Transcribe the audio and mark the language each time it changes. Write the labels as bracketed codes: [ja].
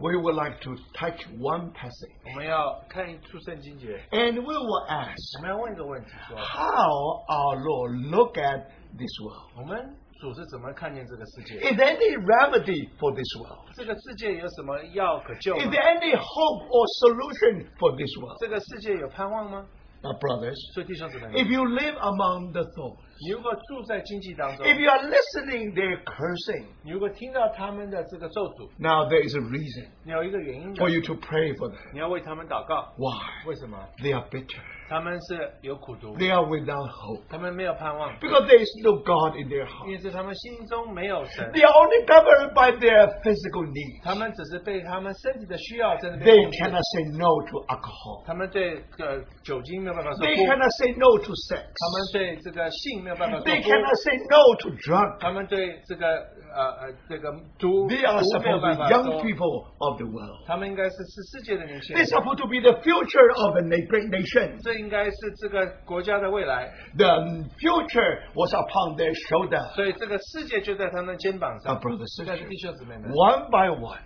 [en] we would like to touch one passage, [zh] 我们要看一处圣经节, [en] and we will ask, [zh] 我们要问一个问题说, [en] how our Lord look at this world? [zh] 我们, [en] is there any remedy for this world? [zh] 这个世界有什么药可救吗? [en] Is there any hope or solution for this world? [zh] 这个世界有盼望吗? [en] Now, brothers, [zh] 所以弟兄姊妹们, [en] if you live among the thorns, [zh] 如果住在荆棘当中, [en] if you are listening their cursing, [zh] 如果听到他们的这个咒诅, [en] now there is a reason [zh] 你有一个原因的, [en] for you to pray for them. [zh] 你要为他们祷告. [en] Why? [zh] 为什么? [en] They are bitter. [zh] 他们是有苦读, [en] they are without hope. [zh] 他们没有盼望, [en] because there is no God in their heart. [zh] 因为是他们心中没有神, [en] they are only governed by their physical needs. [zh] 他们只是被他们身体的需要在那边控制, [en] they cannot say no to alcohol. [zh] 他们对酒精没有办法说不, [en] they cannot say no to sex. [zh] 他们对这个性没有办法说不, 没有办法说不, [en] they cannot say no to drugs. [zh] 他们对这个, 这个毒, [en] they are supposed to be young people of the world. They are supposed to be the future of a great nation. The future was upon their shoulder. Brothers and sisters, one by one,